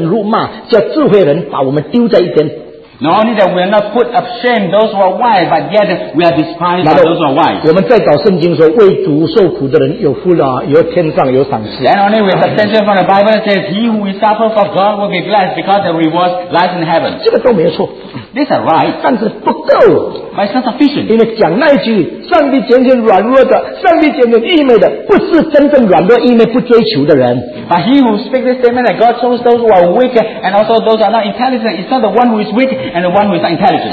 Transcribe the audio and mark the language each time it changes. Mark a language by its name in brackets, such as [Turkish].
[Chinese] 我们现在不但没有叫智慧的人羞愧，我们叫智慧人轻看，叫智慧人辱骂，叫智慧人把我们丢在一边。 [English] Not only that we are not put of shame those who are wise, but yet we are despised by those who are wise. [Chinese] 我们在找圣经说为主受苦的人有福了，有天上有赏赐。 [English] Then only we have attention from the Bible that says he who is suffered for God will be blessed because the reward lies in heaven. [Chinese] 这个都没错。 [English] These are right. [Chinese] 但是不够。 [English] But it's not sufficient. [Chinese] 因为讲那一句上帝拣选软弱的，上帝拣选愚昧的，不是真正软弱愚昧不追求的人。 [English] But he who speaks this statement that God chose those who are weak and also those who are not intelligent is not the one who is weak and the one who is not intelligent.